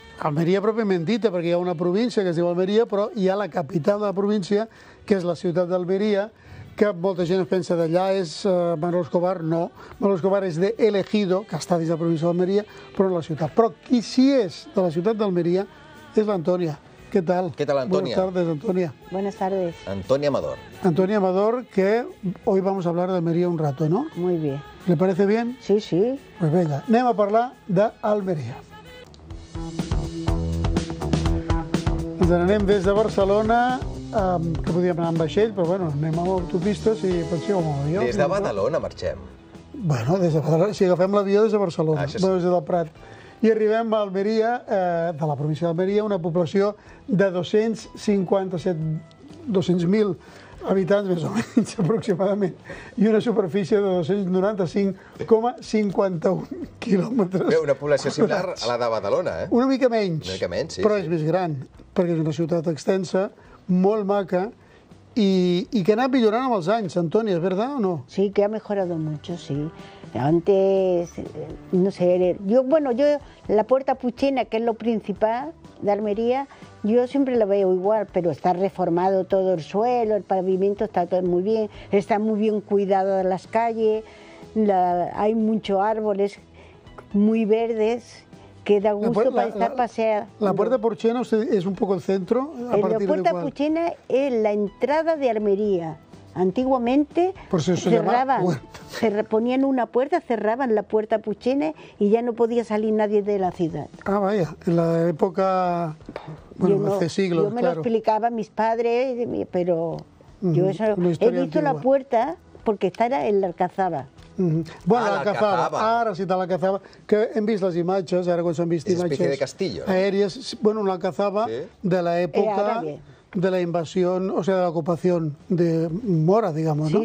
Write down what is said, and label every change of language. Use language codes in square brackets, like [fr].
[ca] Almeria pròpiament dita, perquè hi ha una província que es diu Almeria, però hi ha la capital de la província, que és la ciutat d'Almeria, que molta gent es pensa d'allà és Manolo Escobar. No, Manolo Escobar és d'El Ejido, que està dins de la província d'Almeria, però no la ciutat. Però qui sí és de la ciutat d'Almeria és l'Antònia. Què tal? Què tal, Antònia? [es] Buenas tardes, Antònia. Buenas tardes. Antònia Amador. Antònia Amador, que hoy vamos a hablar d'Almeria un rato, ¿no? Muy bien. ¿Le parece bien? Sí, sí. Pues venga, [ca] anem a parlar d'Almeria. Ens n'anem des de Barcelona, que podíem anar amb vaixell, però bueno, anem amb autopista, si penseu en avió. Des de Badalona marxem. Bueno, des de Badalona, si agafem l'avió des de Barcelona, des del Prat. I arribem a Almeria, de la província d'Almeria, una població de 200.000 habitants, més o menys, aproximadament, i una superfície de 295,51 quilòmetres. Bé, una població similar a la de Badalona, eh? Una mica menys. Una mica menys, sí. Però és més gran, perquè és una ciutat extensa, molt maca, i que ha anat millorant amb els anys, Antònia, és veritat o no? Sí, que [es] ha mejorado mucho, sí. Antes, no sé, yo la Puerta Puchena, que es lo principal de Almería, yo siempre la veo igual, pero está reformado todo el suelo, el pavimento está todo muy bien, está muy bien cuidado de las calles, hay muchos árboles muy verdes, que da gusto para estar paseando. La Puerta Puchena es un poco el centro. La Puerta Puchena es la entrada de Almería. Antiguamente se ponían una puerta, cerraban la Puerta Puchena y ya no podía salir nadie de la ciudad. Ah, vaya, en la época, bueno, hace siglos. Yo me lo explicaba a mis padres, pero yo eso he visto la puerta porque estaba en la Alcazaba. [ca] Bueno, l'Alcazaba, ara sí, l'Alcazaba, que hem vist les imatges, ara quan s'han vist imatges... És una espècie de castillo. Aèries, bueno, l'Alcazaba de l'època de la invasió, o sigui, de l'ocupació de Mora, diguem-ho, no?